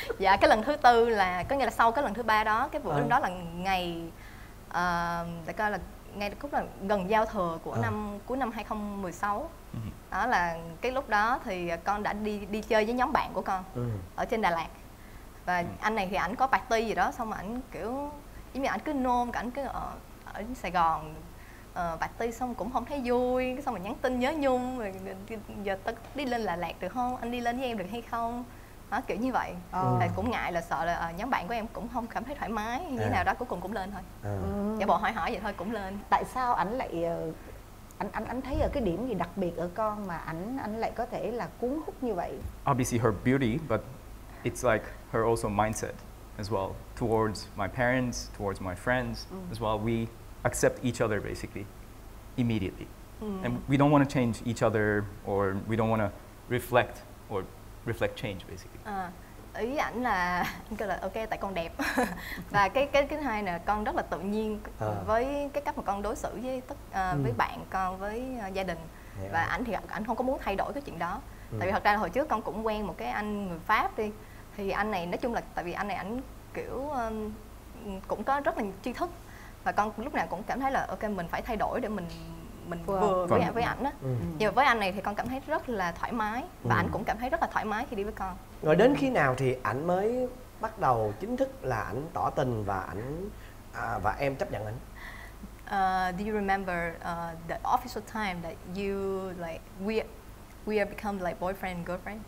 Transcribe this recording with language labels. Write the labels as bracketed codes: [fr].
[vi] dạ cái lần thứ tư là có nghĩa là sau cái lần thứ ba đó cái bữa đó là ngày để coi là ngay lúc là gần giao thừa của năm cuối năm 2016 đó là cái lúc đó thì con đã đi chơi với nhóm bạn của con ở trên Đà Lạt và anh này thì ảnh có party gì đó xong mà ảnh kiểu giống như ảnh cứ nôn cả ảnh cứ ở Sài Gòn party xong cũng không thấy vui xong rồi nhắn tin nhớ nhung rồi giờ tớ đi lên Đà Lạt được không anh đi lên với em được hay không đó, kiểu như vậy. Thì cũng ngại là sợ là nhóm bạn của em cũng không cảm thấy thoải mái như thế nào đó, cuối cùng cũng lên thôi. Giả bộ hỏi hỏi vậy thôi cũng lên. Tại sao ảnh lại anh thấy ở cái điểm gì đặc biệt ở con mà anh lại có thể là cuốn hút như vậy? [en] Obviously her beauty, but it's like her also mindset as well towards my parents, towards my friends as well. We accept each other basically immediately. And we don't want to change each other, or we don't want to reflect or reflect change basically. [vi] Ý ảnh là anh kêu là ok tại con đẹp. Và cái hai là con rất là tự nhiên với cái cách mà con đối xử với với bạn con, với gia đình. Và ảnh thì ảnh không có muốn thay đổi cái chuyện đó. Tại vì thật ra là hồi trước con cũng quen một cái anh người Pháp đi. Thì anh này nói chung là tại vì anh này ảnh kiểu cũng có rất là tri thức. Và con lúc nào cũng cảm thấy là ok mình phải thay đổi để mình vừa với ảnh á. Nhưng mà với anh này thì con cảm thấy rất là thoải mái. Và ảnh cũng cảm thấy rất là thoải mái khi đi với con. Rồi đến khi nào thì ảnh mới bắt đầu chính thức là ảnh tỏ tình và ảnh và em chấp nhận ảnh? [en] Do you remember the official time that you like we have become like boyfriend and girlfriend?